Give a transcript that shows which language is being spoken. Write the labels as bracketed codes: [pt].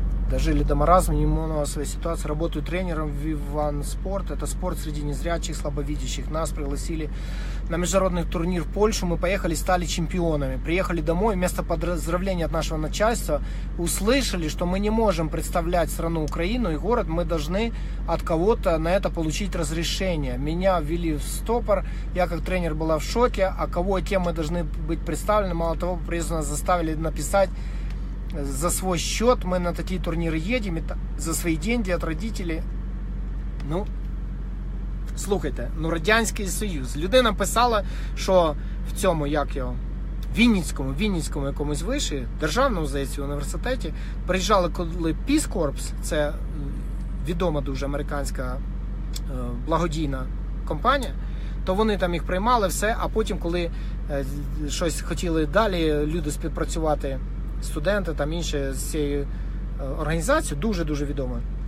[ru] дожили до маразма, не могла своей ситуации. Работаю тренером в Vivan Sport. Это спорт среди незрячих, слабовидящих. Нас пригласили на международный турнир в Польшу. Мы поехали, стали чемпионами. Приехали домой, вместо поздравления от нашего начальства, услышали, что мы не можем представлять страну Украину и город. Мы должны от кого-то на это получить разрешение. Меня ввели в стопор. Я как тренер была в шоке. А кого и кем мы должны быть представлены? Мало того, приезжие нас заставили написать за свой счет, мы на такие турниры едем, это за свои деньги от родителей. [uk] Ну, слухайте, ну, Радянський Союз. Людина писала, що в цьому, як його, Вінницькому якомусь виші, державному, здається, університеті, приїжджали коли Peace Corps, це відома дуже американська благодійна компанія, то вони там їх приймали, все, а потім, коли щось хотіли далі люди співпрацювати, студенти, там інші з цією організацією, дуже-дуже відомо.